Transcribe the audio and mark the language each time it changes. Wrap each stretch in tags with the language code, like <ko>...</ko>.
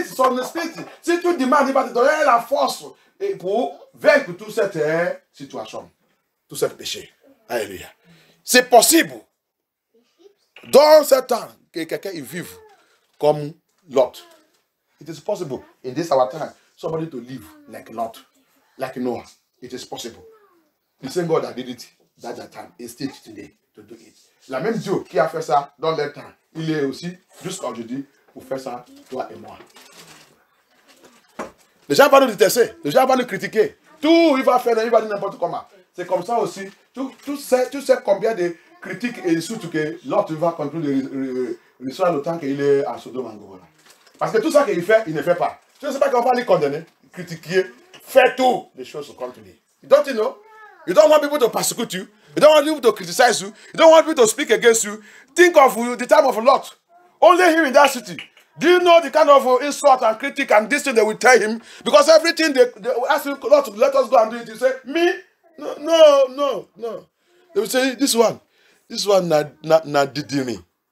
<fr>Si tu demandes, il va te donner la force pour vaincre toute cette situation, tout ce péché. Alléluia. C'est possible. Dans ce temps, que quelqu'un vive comme Lot.</fr> <en>It is possible. In this our time, somebody to live like Lot, like Noah. It is possible. The same God that did it that time is still today to do it.</en> <fr>La même Dieu qui a fait ça dans le temps, il est aussi, jusqu'à aujourd'hui, pour faire ça, toi et moi. Les gens vont nous détester, les gens vont nous critiquer. Tout, il va faire, il va dire n'importe comment. C'est comme ça aussi. Tu sais combien de critiques et de soutes que l'autre va contrôler l'histoire le temps qu'il est à Sodome et Gomorrhe. Parce que tout ça qu'il fait, il ne fait pas. Tu ne sais pas qu'on va lui condamner, critiquer, faire tout. Les choses comme tu dis.</fr> <en>Don't you know? You don't want people to persecute you. You don't want people to criticize you. You don't want people to speak against you. Think of the time of Lot. Only him in that city. Do you know the kind of insult and critic and this thing they will tell him? Because everything they will ask Lot to let us go and do it. He say, me? No. They will say, this one, na didini.</en>